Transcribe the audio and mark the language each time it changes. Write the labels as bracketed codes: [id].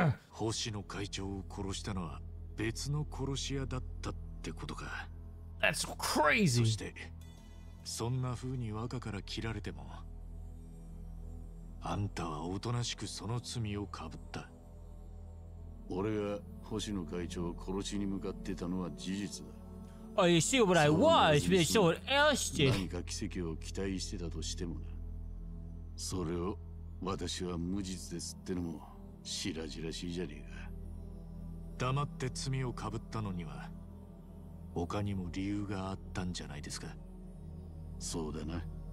[ja] 星野会長を殺したのは別の殺し屋だったってことか。 [en] That's crazy! [ja] そしてそんな風に若から切られても、あんたはおとなしくその罪をかぶった。俺が星野会長を殺しに向かってたのは事実だ。 [en] Oh, you see what I was, but someone else did. [ja] 何か奇跡を期待してたとしてもな。それを私は無実ですってのも白々しいじゃねえか。黙って罪をかぶったのには他にも理由があったんじゃないですか。そうだな。